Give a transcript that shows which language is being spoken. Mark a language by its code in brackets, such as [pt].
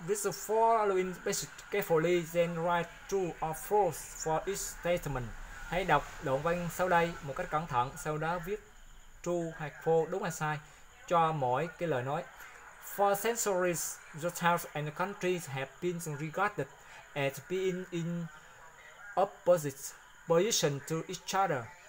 [en] With the following passage carefully, then write true or false for each statement. [vi] Hãy đọc đoạn văn sau đây một cách cẩn thận, sau đó viết true hay false, đúng hay sai, cho mỗi cái lời nói. [en] For centuries, the towns and countries have been regarded as being in opposite position to each other.